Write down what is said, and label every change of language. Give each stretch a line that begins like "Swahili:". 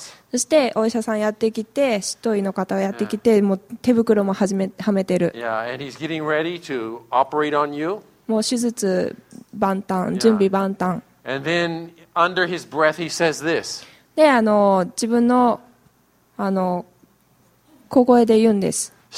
Japanese: そしてお医者さんやってきて、執刀医の方がやってきて、もう手袋もはめてる。
English: Yeah, and he's getting ready to operate on you.
Japanese: もう手術万端、準備万端。
English: Yeah. And then under his breath he says this.
Japanese: で、自分の小声で言うんです。